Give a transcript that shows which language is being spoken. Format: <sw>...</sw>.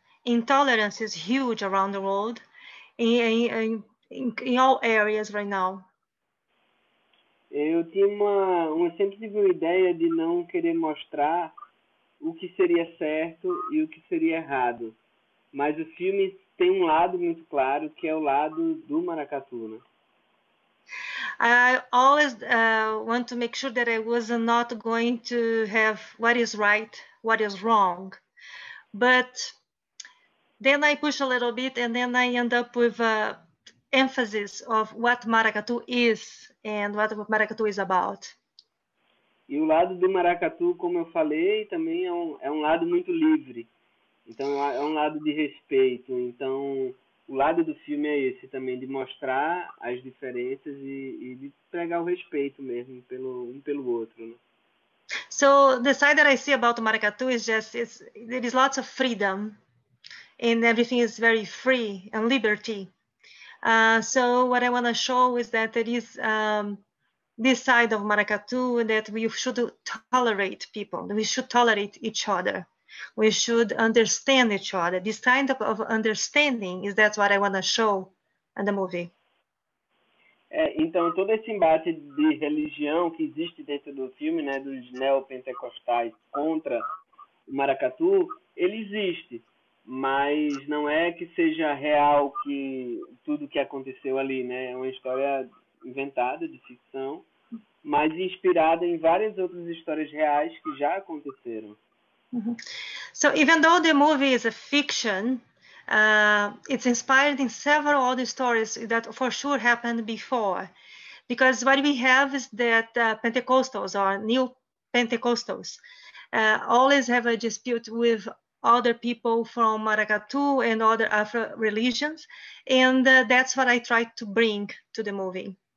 <en>Intolerance is huge around the world, in all areas right now.</en> <pt>Eu tinha uma sempre tive uma ideia de não querer mostrar o que seria certo e o que seria errado. Mas o filme tem um lado muito claro, que é o lado do maracatu, né?</pt> <en>I always want to make sure that I was not going to have what is right, what is wrong. But then I push a little bit and then I end up with an emphasis of what maracatu is and what maracatu is about.</en> <pt>E o lado do maracatu, como eu falei, também é um lado muito livre. Então, é um lado de respeito. Então, o lado do filme é esse também, de mostrar as diferenças e de pregar o respeito mesmo pelo pelo outro. Né?</pt> <en>So, the side that I see about the maracatu is just, there is lots of freedom and everything is very free and liberty. So, what I want to show is that there is this side of maracatu, that we should tolerate people, we should tolerate each other. We should understand each other. This kind of understanding is that what I want to show in the movie.</en> <pt>É, então, todo esse embate de religião que existe dentro do filme, né, dos neopentecostais contra o maracatu, ele existe. Mas não é que seja real que tudo que aconteceu ali, né? É uma história inventada, de ficção, mas inspirada em várias outras histórias reais que já aconteceram.</pt> <en>Uhum. So, even though the movie is a fiction, it's inspired in several other stories that for sure happened before. Because what we have is that Pentecostals, or new Pentecostals, always have a dispute with other people from Maracatu and other Afro religions, and that's what I tried to bring to the movie.</en>